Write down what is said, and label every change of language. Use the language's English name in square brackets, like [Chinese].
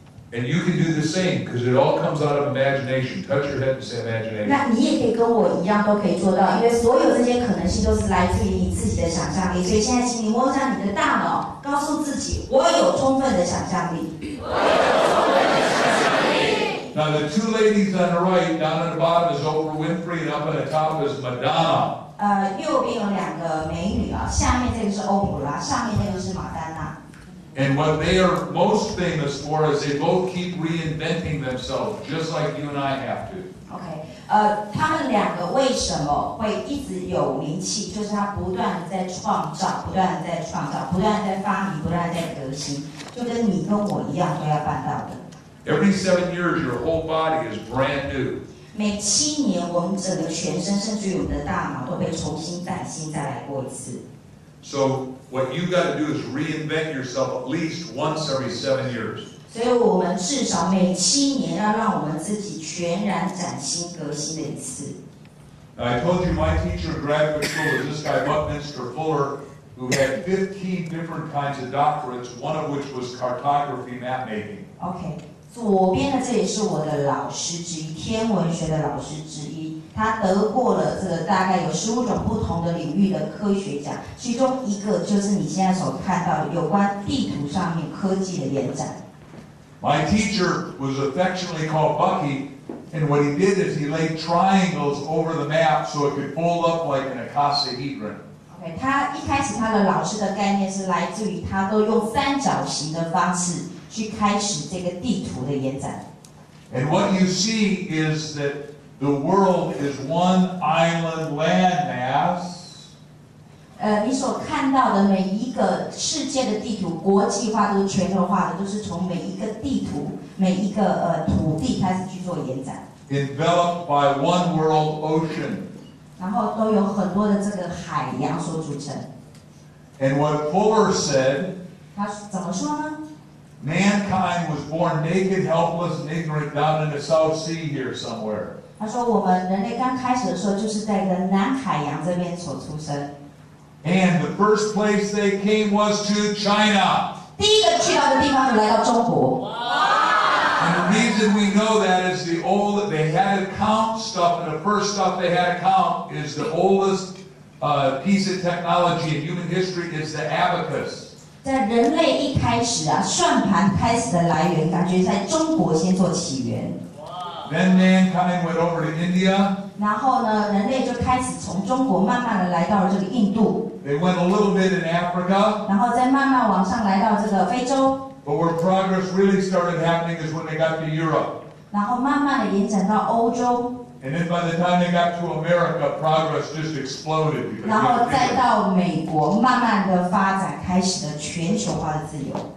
[English] And you can do the same because it all comes out of imagination. Touch your head and say imagination. [Chinese] 那你也可以跟我一样都可以做到，因为所有这些可能性都是来自于你自己的想象力。所以现在，请你摸上你的大脑，告诉自己，我有充分的想象力。 [English] Now the two ladies on the right, down at the bottom is Oprah Winfrey, and up at the top is Madonna. [Chinese] 右边有两个美女啊，下面这个是欧普拉，上面那个是马丹娜。 [English] And what they are most famous for is they both keep reinventing themselves, just like you and I have to. [Chinese] Okay, 他们两个为什么会一直有名气？就是他不断在创造，不断在创造，不断在发明，不断在革新，就跟你跟我一样都要办到的。 [English] Every 7 years, your whole body is brand new. [Chinese] 每七年，我们整个全身，甚至我们的大脑都被重新崭新再来过一次。 [English] So what you've got to do is reinvent yourself at least once every 7 years. [Chinese] 所以我们至少每七年要让我们自己全然崭新、革新的一次。 [English] Now, I told you my teacher in graduate school is this guy Buckminster Fuller, who had 15 different kinds of doctorates, one of which was cartography map making. Okay. [Chinese] 左边的这也是我的老师之一，天文学的老师之一。他得过了这个大概有15种不同的领域的科学奖，其中一个就是你现在所看到的有关地图上面科技的延展。 [English] My teacher was affectionately called Bucky, and what he did is he laid triangles over the map so it could fold up like an icosahedron. [Chinese] Okay, 他一开始他的老师的概念是来自于他都用三角形的方式。去开始这个地图的延展。 [English] And what you see is that the world is one island landmass. [Chinese] 你所看到的每一个世界的地图，国际化都是全球化的，都是从每一个地图、每一个土地开始去做延展。 [English] Enveloped by one world ocean. [Chinese] 然后都有很多的这个海洋所组成。 [English] And what Fuller said. [Chinese] 他怎么说呢？ [English] Mankind was born naked, helpless, and ignorant down in the South Sea here somewhere. [Chinese] 他说我们人类刚开始的时候就是在一个南海洋这边所出生。 [English] And the first place they came was to China. [Chinese] 第一个去到的地方就来到中国。 [English] And the reason we know that is the old, they had to count stuff, and the first stuff they had to count is the oldest, piece of technology in human history is the abacus. [Chinese] 在人类一开始啊，算盘开始的来源，感觉在中国先做起源。 [English] Then mankind went over to India. [Chinese] 然后呢，人类就开始从中国慢慢的来到了这个印度。 [English] They went a little bit in Africa. [Chinese] 然后再慢慢往上来到这个非洲。 [English] But where progress really started happening is when they got to Europe. [Chinese] 然后慢慢的延展到欧洲。 [English] And then by the time they got to America, progress just exploded. [Chinese] 然后再到美国，慢慢的发展开始了全球化的自由。